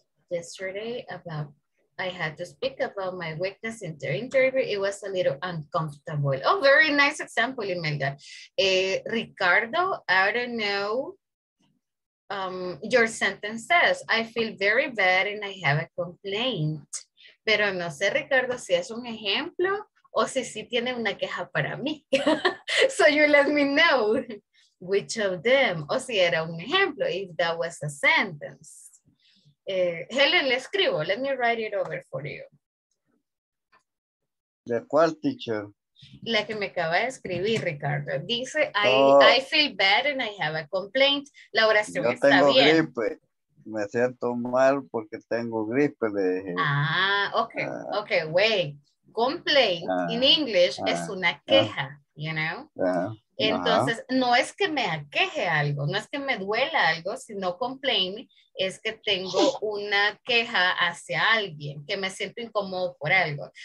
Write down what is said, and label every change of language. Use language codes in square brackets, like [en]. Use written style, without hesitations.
[en] Yesterday, about I had to speak about my weakness in the interview. It was a little uncomfortable. Oh, very nice example, Imelda. Ricardo, I don't know. Your sentence says, I feel very bad and I have a complaint. [es] Pero no sé, Ricardo, si es un ejemplo o si sí tiene una queja para mí. [en] So you let me know which of them. [es] O si era un ejemplo, [en] if that was a sentence. Helen, [es] le escribo. [en] Let me write it over for you. [es] ¿De cuál, teacher? La que me acaba de escribir, Ricardo. Dice, oh, I feel bad and I have a complaint. La oración está bien. Yo tengo gripe. Me siento mal porque tengo gripe, le dije. [en] Ah, ok. Ah. Ok, wait. Complaint in English [es] es una queja, [en] you know? [es] Entonces, no es que me aqueje algo, no es que me duela algo, sino complain es que tengo una queja hacia alguien, que me siento incómodo por algo.